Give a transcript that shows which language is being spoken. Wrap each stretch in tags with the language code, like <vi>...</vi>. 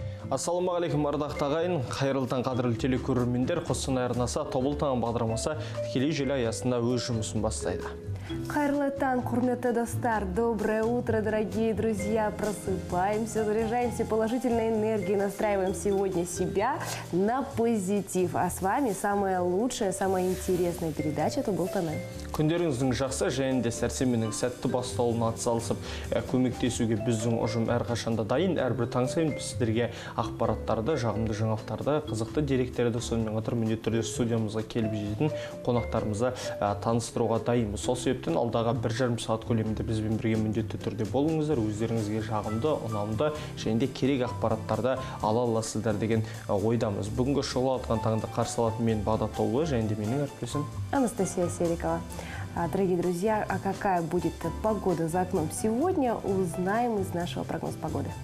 <kk>Ассаламу алейкум, ардақты ағайын, қайырлы таң, қадірлі телекөрермендер, Қостанай арнасы Тобыл таң бағдарламасы тікелей желі аясында өз жұмысын бастайды. Қайырлы таң, құрметті достар,</kk> <ru>доброе утро, дорогие друзья, просыпаемся, заряжаемся положительной энергией, настраиваем сегодня себя на позитив. А с вами самая лучшая, самая интересная передача Тобыл таң.</ru> <kk>Күндеріңіздің жақсы, және де сәрсенбінің сәтті басталуына атсалысып, көмектесуге біздің ұжым әрқашанда дайын. Әрбір таң сайын біз сіздерге ақпараттарды, жағымды жаңалықтарды, қызықты деректерді сонымен қатар міндетті түрде студиямызға келіп жететін қонақтарымызды таныстыруға дайынбыз. Сол себептен алдағы 1.5 сағат көлемінде бізбен бірге міндетті түрде болыңыздар. Өздеріңізге жағымды, ұнамды және де керек ақпараттарды ала аласыздар деген ойдамыз. Бүгінгі шоуға алған таңды қарсы алатын мен Бағдат Олы, және де менің әріптесім Анастасия Серикова.</kk> <ru>Дорогие друзья, а какая будет погода за окном сегодня, узнаем из нашего прогноза погоды.</ru>